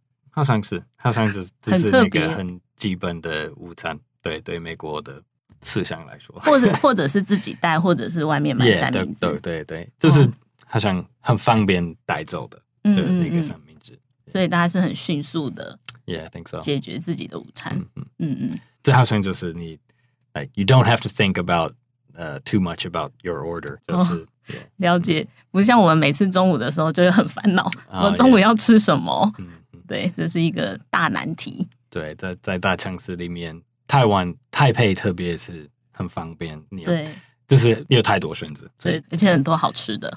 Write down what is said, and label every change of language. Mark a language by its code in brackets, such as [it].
[zh] 好像是这是那个很基本的午餐对对美国的吃相来说或者是自己带或者是外面买三明治 yeah, 对就是好像很方便带走的对、嗯、那个三明治所以大家是很迅速的 [en] yeah, I think so. [zh] 解决自己的午餐嗯 嗯, 嗯, 嗯这好像就是你 [en] like, You don't have to think about、too much about your order、就是 oh, yeah. [zh] 了解不像我们每次中午的时候就会很烦恼、oh, 我中午要吃什么、yeah. 对这是一个大难题对 在大城市里面台湾台北特别是很方便你有对就是你有太多选择对而且很多好吃的